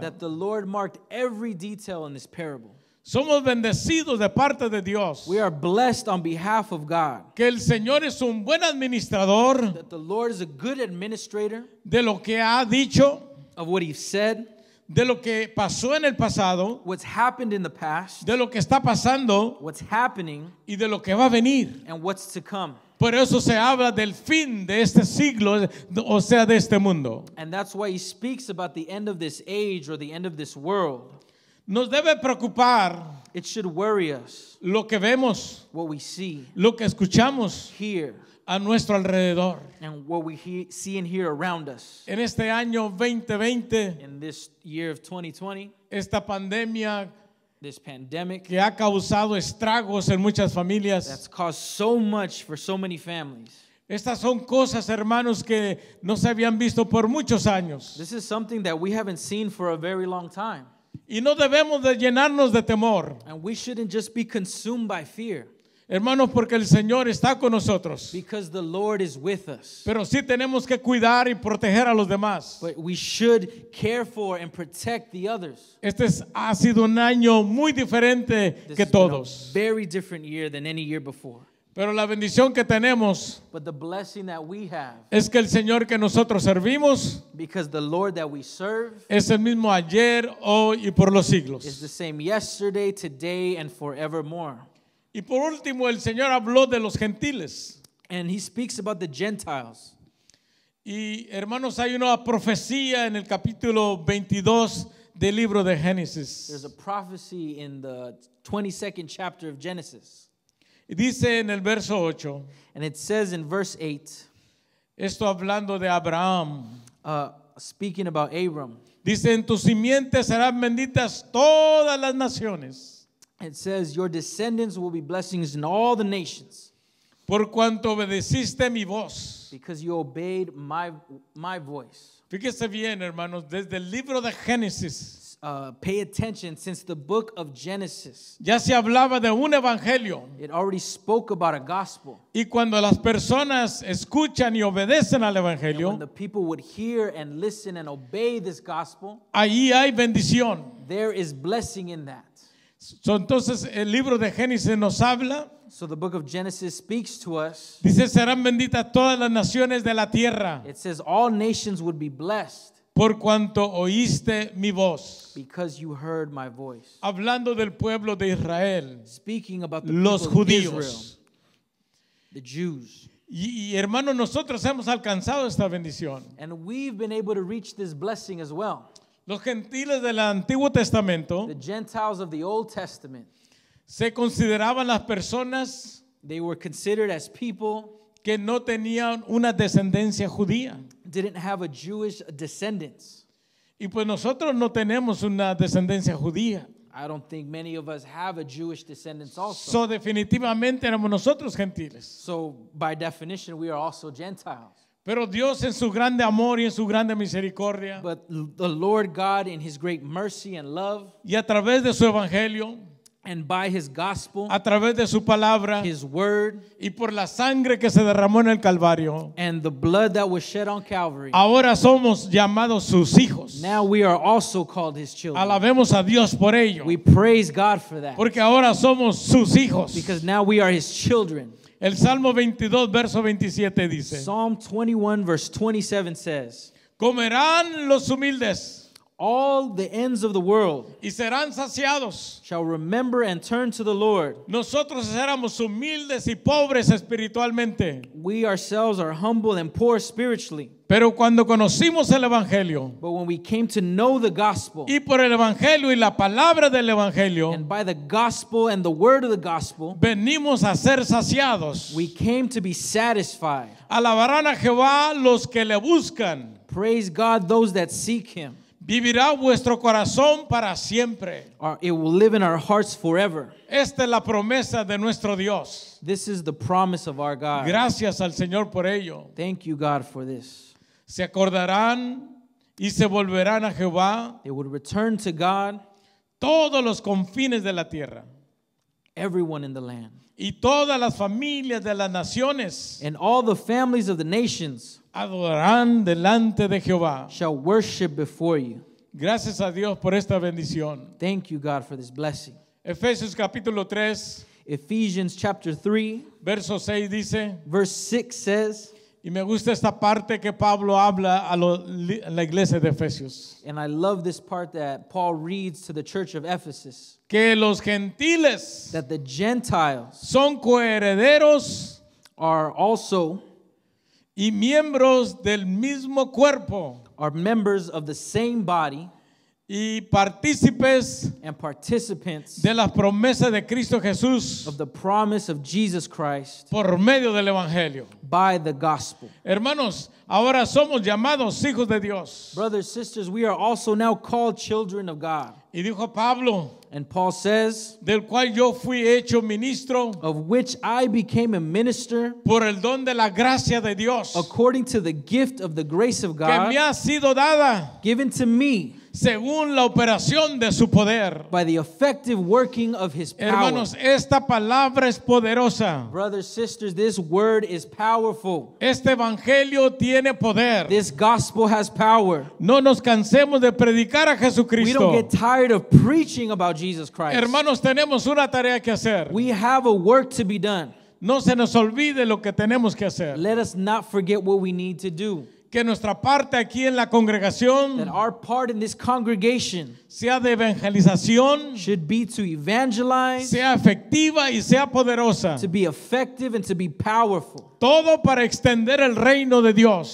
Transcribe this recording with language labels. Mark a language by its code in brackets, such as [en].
[en] That the Lord marked every detail in this parable. [es] Somos bendecidos de parte de Dios. [en] We are blessed on behalf of God. [es] Que el Señor es un buen administrador. [en] That the Lord is a good administrator. [es] De lo que ha dicho. [en] Of what he said. [es] De lo que pasó en el pasado. [en] What's happened in the past. [es] De lo que está pasando. [en] What's happening. [es] Y de lo que va a venir. [en] And what's to come. [es] Por eso se habla del fin de este siglo, o sea, de este mundo. [en] And that's why he speaks about the end of this age or the end of this world. [es] Nos debe preocupar. [en] It should worry us. [es] Lo que vemos. [en] What we see. [es] Lo que escuchamos. [en] Hear. [es] A nuestro alrededor. [en] And what we see and hear around us. [es] En este año 2020. [en] In this year of 2020. [es] Esta pandemia. [en] This pandemic [es] que ha causado estragos en muchas familias. [en] That's caused so much for so many families. [es] Estas son cosas, hermanos, que no se habían visto por muchos años. [en] This is something that we haven't seen for a very long time. [es] Y no debemos de llenarnos de temor. [en] And we shouldn't just be consumed by fear. [es] Hermanos, porque el Señor está con nosotros. [en] Because the Lord is with us. [es] Pero sí tenemos que cuidar y proteger a los demás. [en] But we should care for and protect the others. [es] Este ha sido un año muy diferente [en] this [es] que todos. [en] A very different year than any year before. [es] Pero la bendición que tenemos, [en] but the blessing that we have, [es] es que el Señor que nosotros servimos, [en] because the Lord that we serve, [es] es el mismo ayer, hoy y por los siglos. [en] Is the same yesterday, today and forevermore. [es] Y por último, el Señor habló de los gentiles. [en] And he speaks about the Gentiles. [es] Y hermanos, hay una profecía en el capítulo 22 del libro de Génesis. [en] There's a prophecy in the 22nd chapter of Genesis. [es] Y dice en el verso 8. [en] And it says in verse 8. [es] Esto hablando de Abraham. [en] Speaking about Abram. [es] Dice, en tus simientes serán benditas todas las naciones. [en] It says, your descendants will be blessings in all the nations. [es] Por cuanto obedeciste mi voz. [en] Because you obeyed my voice. [es] Fíjese bien, hermanos, desde el libro de Génesis. [en] Pay attention, since the book of Genesis. [es] Ya se hablaba de un evangelio. [en] It already spoke about a gospel. [es] Y cuando las personas escuchan y obedecen al evangelio. [en] And when the people would hear and listen and obey this gospel. [es] Ahí hay bendición. [en] There is blessing in that. [es] Entonces el libro de Génesis nos habla. [en] So the book of Genesis speaks to us. [es] Dice, serán benditas todas las naciones de la tierra. [en] It says all nations would be blessed. [es] Por cuanto oíste mi voz. [en] Because you heard my voice. [es] Hablando del pueblo de Israel. [en] Speaking about the people of [es] judíos. [en] Israel. The Jews. [es] Y hermanos, nosotros hemos alcanzado esta bendición. [en] And we've been able to reach this blessing as well. [es] Los gentiles del Antiguo Testamento, [en] the Gentiles of the Old Testament, [es] se consideraban las personas, [en] they were considered as people, [es] que no tenían una descendencia judía, [en] didn't have a Jewish descendants. [es] Y pues nosotros no tenemos una descendencia judía. [en] I don't think many of us have a Jewish descendants also. So [es] definitivamente éramos nosotros gentiles. [en] So by definition we are also Gentiles. [es] Pero Dios en su grande amor y en su grande misericordia. [en] But the Lord God in his great mercy and love. [es] Y a través de su evangelio. [en] And by his gospel, [es] a través de su palabra, [en] his word, [es] y por la sangre que se derramó en el Calvario, [en] and the blood that was shed on Calvary, [es] ahora somos llamados sus hijos. [en] Now we are also called his children. [es] Alabemos a Dios por ello. [en] We praise God for that. [es] Porque ahora somos sus hijos. [en] Because now we are his children. [es] El Salmo 22, verso 27 dice, [en] Psalm 21, verse 27 says, [es] comerán los humildes. [en] All the ends of the world [es] y serán saciados. [en] Shall remember and turn to the Lord. [es] Nosotros éramos humildes y pobres espiritualmente. [en] We ourselves are humble and poor spiritually. [es] Pero cuando conocimos el Evangelio, [en] but when we came to know the gospel, [es] y por el Evangelio y la palabra del Evangelio, [en] and by the gospel and the word of the gospel, [es] venimos a ser saciados. [en] We came to be satisfied. [es] Alabarán a Jehová los que le buscan. [en] Praise God those that seek him. [es] Vivirá vuestro corazón para siempre. [en] It will live in our hearts forever. [es] Esta es la promesa de nuestro Dios. [en] This is the promise of our God. [es] Gracias al Señor por ello. [en] Thank you, God, for this. [es] Se acordarán y se volverán a Jehová. [en] They will return to God. [es] Todos los confines de la tierra. [en] Everyone in the land. [es] Y todas las familias de las naciones. [en] And all the families of the nations. [es] Adorarán delante de Jehová. [en] Shall worship before you. [es] Gracias a Dios por esta bendición. [en] Thank you, God, for this blessing. [es] Efesios capítulo 3. [en] Ephesians chapter 3. [es] Verso 6 dice. [en] Verse 6 says. [es] Y me gusta esta parte que Pablo habla a la iglesia de Efesios. [en] And I love this part that Paul reads to the church of Ephesus. [es] Que los gentiles. [en] That the Gentiles. [es] Son coherederos. [en] Are also. [es] Y miembros del mismo cuerpo. [en] Are members of the same body. [es] Y partícipes. [en] And participants. [es] De las promesas de Cristo Jesús. [en] Of the promise of Jesus Christ. [es] Por medio del Evangelio. [en] By the gospel. [es] Hermanos, ahora somos llamados hijos de Dios. [en] Brothers, sisters, we are also now called children of God. [es] Y dijo Pablo. [en] And Paul says, [es] del cual yo fui hecho ministro, [en] of which I became a minister, [es] por el don de la gracia de Dios, [en] according to the gift of the grace of God, [es] que me ha sido dada, [en] given to me, [es] según la operación de su poder, [en] by the effective working of his power. [es] Hermanos, esta palabra es poderosa. [en] Brothers, sisters, this word is powerful. [es] Este evangelio tiene poder. [en] This gospel has power. [es] No nos cansemos de predicar a Jesucristo. [en] We don't get tired of preaching about Jesus Christ. [es] Hermanos, tenemos una tarea que hacer. [en] We have a work to be done. [es] No se nos olvide lo que tenemos que hacer. [en] Let us not forget what we need to do. [es] Que nuestra parte aquí en la congregación, [en] that our part in this congregation, [es] sea de evangelización, [en] should be to evangelize, [es] sea efectiva y sea poderosa, [en] to be effective and to be powerful, [es] todo para extender el reino de Dios,